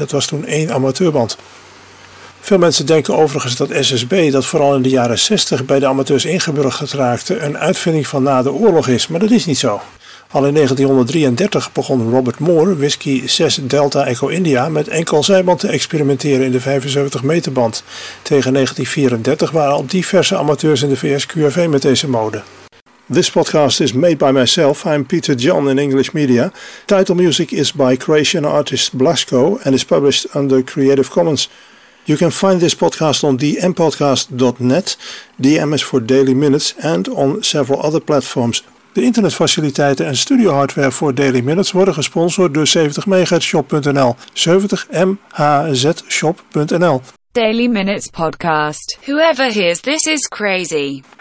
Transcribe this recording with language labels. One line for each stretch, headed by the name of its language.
Dutch: Dat was toen één amateurband. Veel mensen denken overigens dat SSB, dat vooral in de jaren 60 bij de amateurs ingeburgerd raakte, een uitvinding van na de oorlog is, maar dat is niet zo. Al in 1933 begon Robert Moore, Whiskey 6 Delta Echo India, met enkel zijband te experimenteren in de 75 meter band. Tegen 1934 waren al diverse amateurs in de VS QFV met deze mode.
English: This podcast is made by myself. I'm Peter John in English Media. Title music is by Croatian artist Blasko and is published under Creative Commons. You can find this podcast on dmpodcast.net, DM is for Daily Minutes, and on several other platforms.
Dutch: De internetfaciliteiten en studio hardware voor Daily Minutes worden gesponsord door 70MHzShop.nl. 70MHzShop.nl.
English: Daily Minutes Podcast. Whoever hears this is crazy.